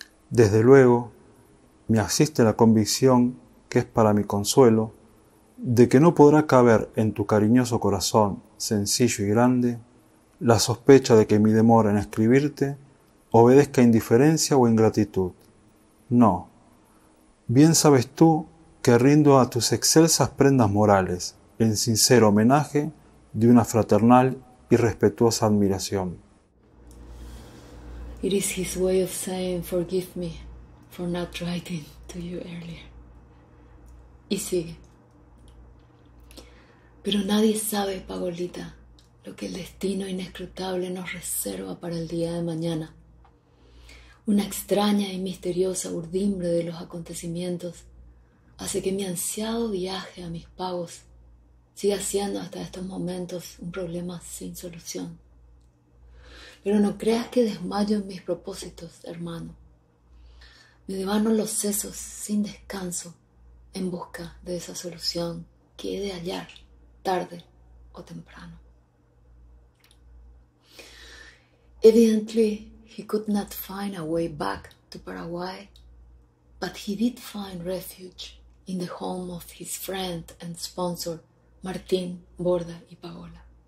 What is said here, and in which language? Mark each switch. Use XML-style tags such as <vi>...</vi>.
<es>Desde luego, me asiste la convicción, que es para mi consuelo, de que no podrá caber en tu cariñoso corazón, sencillo y grande, la sospecha de que mi demora en escribirte obedezca a indiferencia o ingratitud. No, bien sabes tú que rindo a tus excelsas prendas morales en sincero homenaje de una fraternal y respetuosa admiración.</es> <en>It is his way of saying forgive me for not writing to you earlier.</en> <es>Y sigue. Pero nadie sabe, Pagolita, lo que el destino inescrutable nos reserva para el día de mañana. Una extraña y misteriosa urdimbre de los acontecimientos hace que mi ansiado viaje a mis pagos siga siendo hasta estos momentos un problema sin solución. Pero no creas que desmayo en mis propósitos, hermano. Me devano los sesos sin descanso en busca de esa solución que he de hallar tarde o temprano.</es> <en>Evidently, he could not find a way back to Paraguay, but he did find refuge in the home of his friend and sponsor, Martín Borda y Paola.</en>